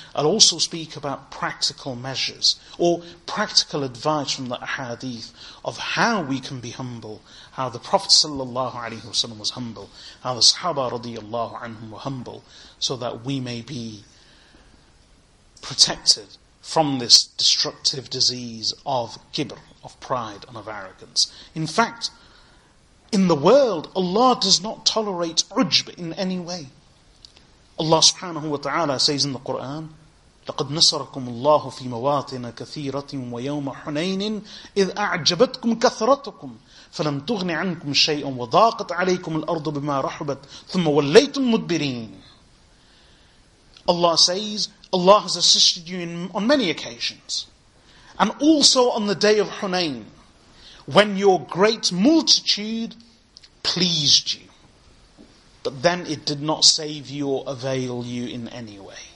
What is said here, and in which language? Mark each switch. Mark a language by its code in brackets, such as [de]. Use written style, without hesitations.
[en] I'll also speak about practical measures, or practical advice from the ahadith, of how we can be humble, how the Prophet sallallahu alaihi wasallam was humble, how the Sahaba radiyallahu anhum were humble, so that we may be protected from this destructive disease of kibr, of pride and of arrogance. In fact, in the world, Allah does not tolerate ujb in any way. Allah subhanahu wa ta'ala says in the Quran, [ar] "لَقَدْ نَصَرَكُمُ اللَّهُ فِي مَوَاطِنَ كَثِيرَةٍ وَيَوْمَ حُنَيْنٍ إِذْ أَعْجَبَتْكُمْ كَثْرَتُكُمْ فَلَمْ تُغْنِ عَنْكُمْ شَيْئًا وَضَاقَتْ عَلَيْكُمُ الْأَرْضُ بِمَا رَحُبَتْ ثُمَّ وَلَّيْتُمْ مُدْبِرِينَ." [en] Allah says, Allah has assisted you on many occasions. And also on the day of Hunayn, when your great multitude pleased you. But then it did not save you or avail you in any way.